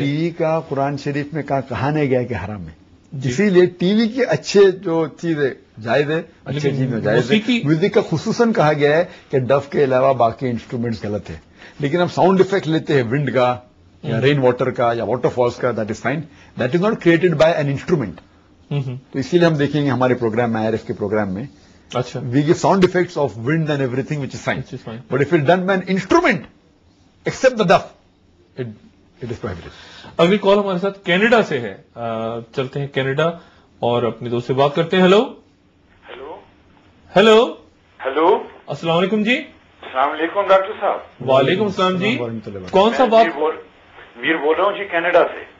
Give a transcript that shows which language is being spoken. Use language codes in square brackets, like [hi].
[ur] T V کا قرآن شریف میں کہاں کہا نہیں گیا کہ حرام ہے, اسی لیے ٹی وی کے اچھے جو چیز ہے جائز ہے, اچھے چیز میں جائز ہے, میوزک کا خصوصاً کہا گیا ہے کہ ڈف کے علاوہ باقی انسٹرومینٹس غلط ہے, لیکن ہم ساؤنڈ افیکٹ لیتے ہیں ونڈ کا, رین واٹر کا, یا واٹر فالس کا, [en] That is fine, that is not created by an instrument. [ur] تو اسی لیے ہم دیکھیں گے ہمارے پروگرام میں, IRF کے پروگرام میں, اچھا [en] We gave sound effects of wind and everything which is fine, but if it done by an instrument except the ڈف, it is provided. [ur] اگلی کال ہمارے ساتھ کینیڈا سے ہے, چلتے ہیں کینیڈا اور اپنے دوست سے بات کرتے ہیں. ہیلو ہیلو ہیلو, السلام علیکم جی. السلام علیکم ڈاکٹر صاحب. وعلیکم السلام جی, کون سا بات ویر بول رہا ہوں جی؟ کینیڈا سے.